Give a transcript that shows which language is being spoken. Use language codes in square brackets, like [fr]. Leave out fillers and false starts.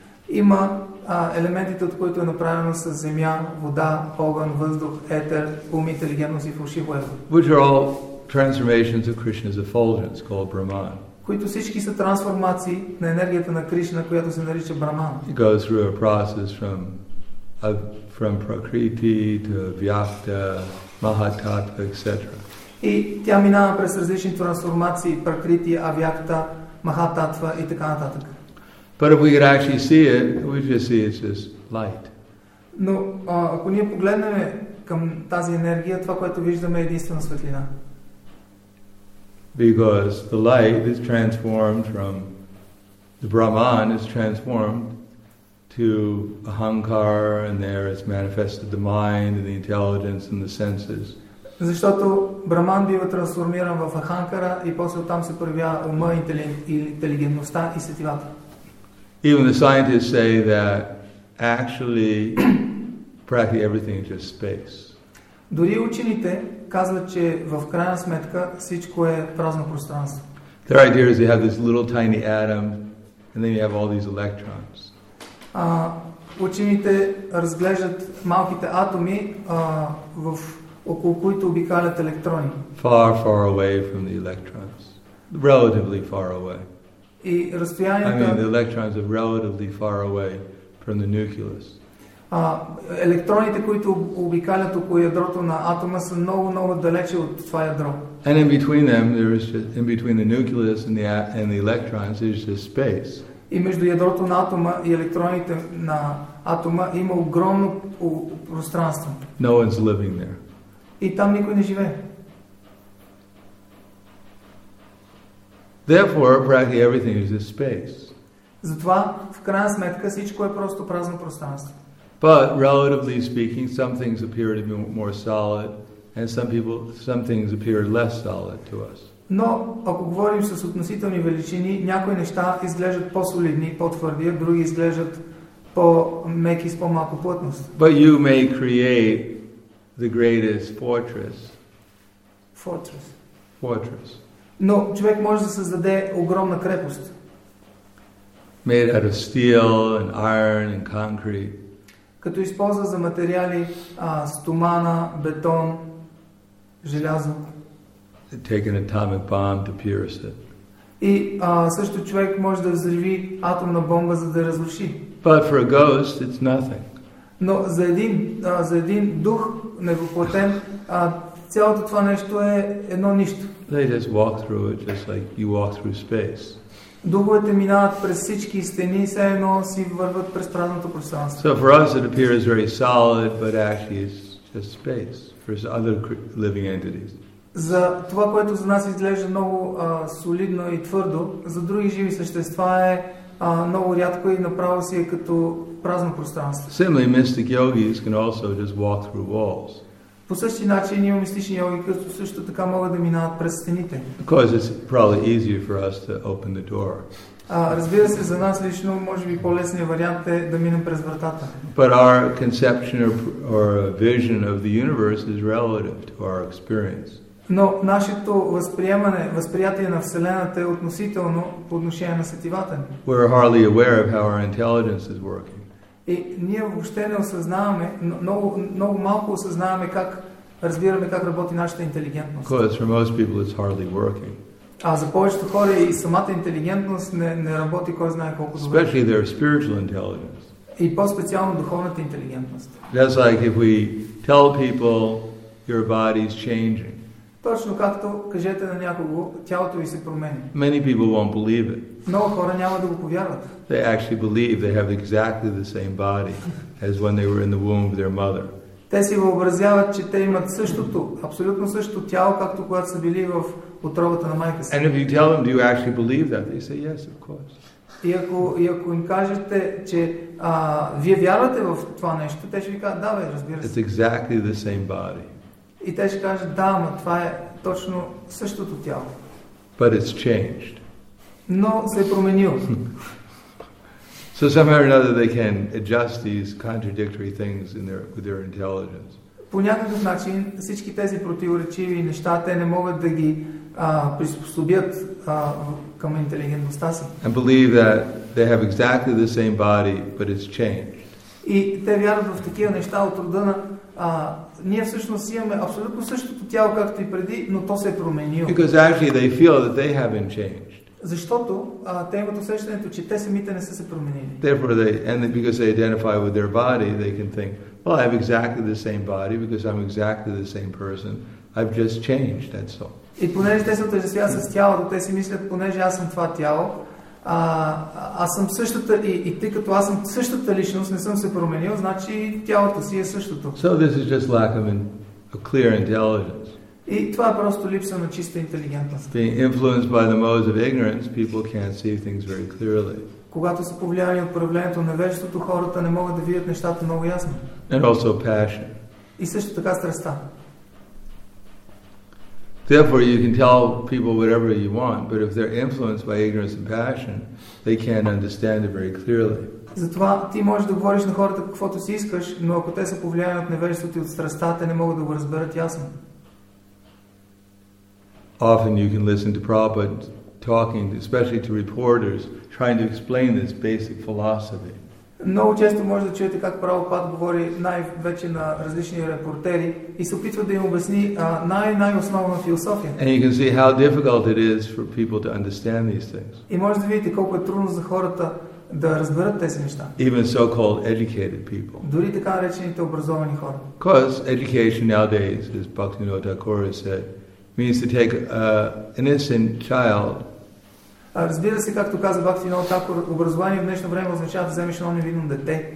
[bg] Има елементите, от които е направено с земя, вода, огън, въздух, етер, ум, интелигентност и фалшиво его. [en] Which are all transformations of Krishna's effulgence called Brahman. [bg] Които всички са трансформации на енергията на Кришна, която се нарича Браман. [en] It goes through a process from Prakriti to Vyakta, Mahatattva, etc. [bg] И тя минава през различни трансформации, Пракрити, Авякта, Махататва и така нататък. [en] But if we could actually see it, we just see it's just light. [bg] Но ако ние погледнем към тази енергия, това, което виждаме, е единствена светлина. [en] Because the light is transformed from the Brahman is transformed to Ahankar, and there is manifested the mind and the intelligence and the senses. [bg] Защото Браман бива трансформиран в Аханкара и после оттам се проявява ума, интелигентността и сетивата. [en] Even the scientists say that actually practically everything is just space. [bg] Дори учените казват, че в крайна сметка всичко е празно пространство. [en] Their idea is you have this little tiny atom and then you have all these electrons. [bg] Учените разглеждат малките атоми в около които обикалят електрони. [en] Far, far away from the electrons. Relatively far away. [bg] И разстоянието... [en] I mean, the electrons are relatively far away from the nucleus. [bg] Електроните, които обикалят около ядрото на атома, са много, много далече от това ядро. [en] And in between them, there is just, in between the nucleus and the electrons, there's just space. [bg] И между ядрото на атома и електроните на атома има огромно пространство. [en] No one's living there. [bg] И там никой не живее. [en] Therefore, practically everything is this space. [bg] Затова, в крайна сметка, всичко е просто празно пространство. [en] But relatively speaking, some things appear to be more solid, and some things appear less solid to us. [bg] Но ако говорим с относителни величини, някои неща изглеждат по-солидни, по-твърди, а други изглеждат по-меки, с по-малко плътност. [en] But you may create the greatest fortress. Fortress. [bg] Но човек може да създаде огромна крепост. [en] Made out of steel and iron and concrete. [bg] Като използва за материали стомана, бетон, желязо. [en] Take an atomic bomb to pierce it. [bg] И също човек може да взриви атомна бомба, за да разруши. [en] But for a ghost, it's nothing. [bg] Но за един, за един дух невъплатен, цялото това нещо е едно нищо. [en] They just walk through it, just like you walk through space. [bg] Духовете минават през всички стени, все едно си върват през празното пространство. [en] So for us it appears very solid, but actually it's just space for other living entities. [bg] За това, което за нас изглежда много солидно и твърдо, за други живи същества е много рядко и направо си е като празно пространство. [en] Similarly, mystic yogis can also just walk through walls. [bg] По същия начин има мистични йоги, които също така могат да минават през стените. [en] Because it's probably easier for us to open the door. [bg] Разбира се, за нас лично може би по-лесният вариант е да минем през вратата. [en] But our conception or vision of the universe is relative to our experience. [bg] Но нашето възприемане, възприятие на Вселената е относително по отношение на сетивата ни. [en] We are hardly aware of how our intelligence is working. [bg] И ние въобще не осъзнаваме, много малко осъзнаваме как разбираме как работи нашата интелигентност. [en] Because for most people it's hardly working. [bg] А за повечето хора и самата интелигентност не работи кой знае колко добре. [en] Especially their spiritual intelligence. [bg] И по-специално духовната интелигентност. [en] That's like if we tell people your body is changing. [bg] Точно както кажете на някого, тялото ви се променя. [en] Many people won't believe it. [bg] Много хора няма да го повярват. [en] They actually believe they have exactly the same body as when they were in the womb of their mother. [bg] Те си въобразяват, че те имат същото, абсолютно същото тяло, както когато са били в утробата на майка си. [en] And if you tell them, do you actually believe that? They say, yes, of course. [bg] И ако им кажете, че вие вярвате в това нещо, те ще ви кажат, да бе, разбира се. [en] It's exactly the same body. [bg] И те ще кажат, да, но това е точно същото тяло. [en] But it's changed. [bg] Но се е променил. [en] So somehow or another they can adjust these contradictory things in their with their intelligence. [bg] По някакъв начин всички тези противоречиви неща те не могат да ги приспособят към интелигентността си. [en] And believe that they have exactly the same body, but it's changed. [bg] И те вярват в такива неща от рода на ние всъщност имаме абсолютно същото тяло както и преди, но то се е променило. [en] Because actually they feel that they haven't changed. [bg] Защото те имат усещането, че те самите не са се променили. [en] Therefore they, and because they identify with their body, they can think, well, I have exactly the same body because I'm exactly the same person. I've just changed, that's all. [bg] И понеже те се отъждествяват с тялото, те си мислят, понеже аз съм това тяло, аз съм същата, и тъй като аз съм същата личност, не съм се променил, значи тялото си е същото. [en] So this is just lack of a clear intelligence. [bg] И това е просто липса на чиста интелигентност. [en] Being influenced by the modes of ignorance, people can't see things very clearly. [bg] Когато са повлияни от проявлението на вещето, хората не могат да видят нещата много ясно. [en] And also passion. [bg] И също така страстта. [en] Therefore, you can tell people whatever you want, but if they're influenced by ignorance and passion, they can't understand it very clearly. [bg] Затова ти можеш да говориш на хората каквото си искаш, но ако те са повлияни от невежеството и от страстта, те не могат да го разберат ясно. [en] Often you can listen to Prabhupada talking, especially to reporters, trying to explain this basic philosophy. [bg] Много често може да чуете как Прабхупада говори най-вече на различни репортери и се опитва да им обясни най-основна философия. [en] And you can see how difficult it is for people to understand these things. [bg] И може да видите колко е трудно за хората да разберат тези неща. [en] Even so-called educated people. [bg] Дори така наречените образовани хора. [en] Because education nowadays, as Bhaktivinoda Thakur has said, means to take an innocent child. [bg] Разбира се, както каза Бхактивинода Такур, образование в днешно време означава да вземеш едно невинно дете.